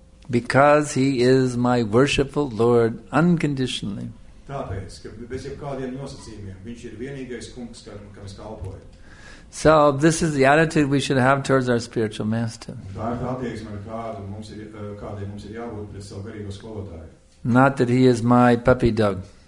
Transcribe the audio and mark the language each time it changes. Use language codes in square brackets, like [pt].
[en] Because he is my worshipful Lord unconditionally. [lv] Tāpēc, ka bez jebkādiem nosacījumiem, viņš ir vienīgais kungs, kam es kalpoju. [en] So, this is the attitude we should have towards our spiritual master. [lv] Tā ir attieksme, kādai mums ir jābūt pret savu garīgo skolotāju. [en] Not that he is my puppy dog.